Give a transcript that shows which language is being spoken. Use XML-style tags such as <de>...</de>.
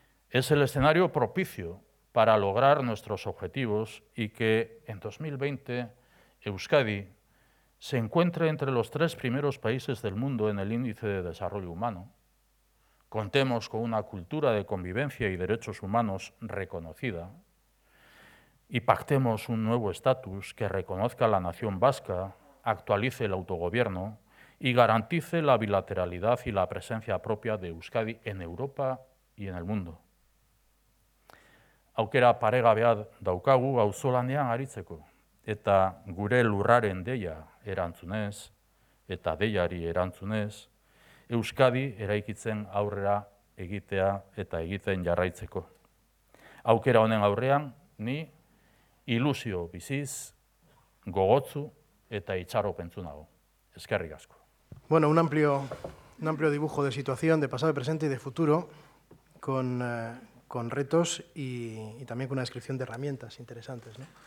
<es>Es el escenario propicio para lograr nuestros objetivos y que en 2020 Euskadi se encuentre entre los 3 primeros países del mundo en el índice de desarrollo humano, contemos con una cultura de convivencia y derechos humanos reconocida y pactemos un nuevo estatus que reconozca a la nación vasca, actualice el autogobierno y garantice la bilateralidad y la presencia propia de Euskadi en Europa y en el mundo.</es> <eu>Aukera paregabea daukagu auzolanean aritzeko, eta gure lurraren deia erantzunez, eta deiari erantzunez, Euskadi eraikitzen aurrera egitea eta egiten jarraitzeko. Aukera honen aurrean, ni ilusio biziz, gogotzu, eta itxaropentzu nago. Eskerrik asko.</eu> <es>Bueno, un amplio dibujo de situación, de pasado, presente y de futuro, con retos y también con una descripción de herramientas interesantes, ¿no?</es>